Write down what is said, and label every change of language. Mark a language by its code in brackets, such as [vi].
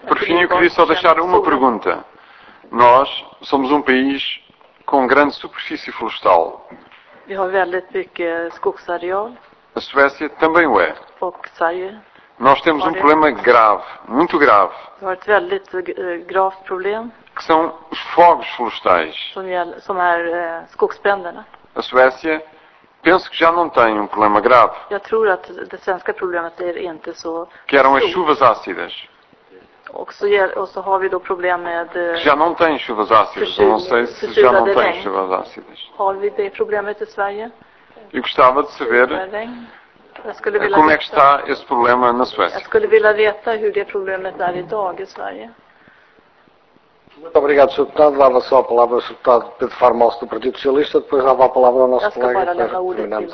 [pt] Por fim, eu queria só deixar uma pergunta. Nós somos um país com grande superfície florestal. [sv] Vi har väldigt mycket skogsareal. [pt] A Suécia também o é. [sv] Och Sverige. [pt] Nós temos um problema grave, muito grave. [sv] Det är ett väldigt gravt problem. [pt] Que são os fogos florestais. [sv] Som är skogsbränderna. [pt] A Suécia, penso que já não tem um problema grave. [sv] Jag tror att det svenska problemet är inte så. [pt] Que eram as chuvas ácidas. [sv] Och så har vi då problem med. [pt] Já não tem chuvas ácidas. Não sei se já não tem chuvas ácidas. [sv] Har vi det problemet i Sverige? [pt] Eu gostava de saber. Como é que está esse problema na Suécia? [sv] Jag skulle vilja veta hur det problemet är idag i Sverige. [pt] Muito obrigado, Sr. Deputado. Dava só a palavra ao Sr. Deputado Pedro Farmoso do Partido Socialista, depois dava a palavra ao nosso colega para terminarmos a reunião.